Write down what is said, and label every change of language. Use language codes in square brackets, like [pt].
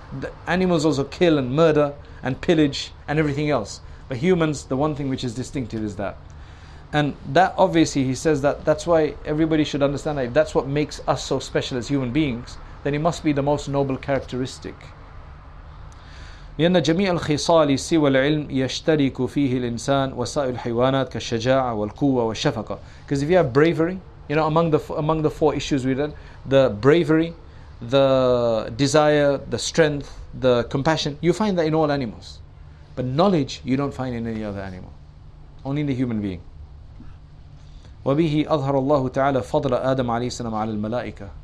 [en] The animals also kill and murder and pillage and everything else. But humans, the one thing which is distinctive is that. And that, obviously, he says that that's why everybody should understand that if that's what makes us so special as human beings, then it must be the most noble characteristic. [ar] لأن جميع الخصال سوى العلم يشترك فيه الإنسان وسائر الحيوانات كالشجاعة والقوة والشفقة. [en] Because if you have bravery, you know, among the four issues we read, the bravery, the desire, the strength, the compassion, you find that in all animals. But knowledge, you don't find in any other animal. Only in the human being. [ar] وَبِهِ أَظْهَرَ اللَّهُ تَعَالَى فَضْلَ آدَمَ عَلَيْهِ السَّلَامَ عَلَى الْمَلَائِكَةِ.